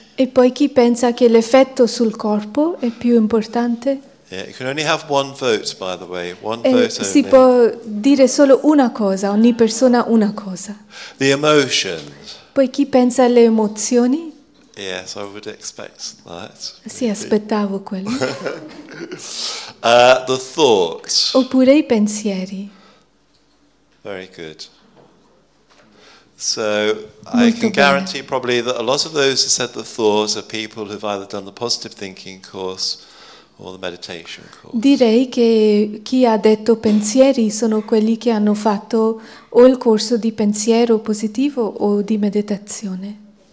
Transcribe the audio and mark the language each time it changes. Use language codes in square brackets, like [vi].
[it] E poi chi pensa che l'effetto sul corpo è più importante? [en] Yeah, you can only have one vote, by the way, one vote only. [it] Si può dire solo una cosa, ogni persona una cosa. [en] The emotions. [it] Poi chi pensa alle emozioni? [en] Yes, I would expect that. [it] Sì, aspettavo quello. [en] The thoughts. [it] Oppure i pensieri. [en] Very good. So I can guarantee probably that a lot of those who said the thoughts are people who've either done the positive thinking course or the meditation course. [it] Direi che chi ha detto pensieri sono quelli che hanno fatto o il corso di pensiero positivo o di meditazione.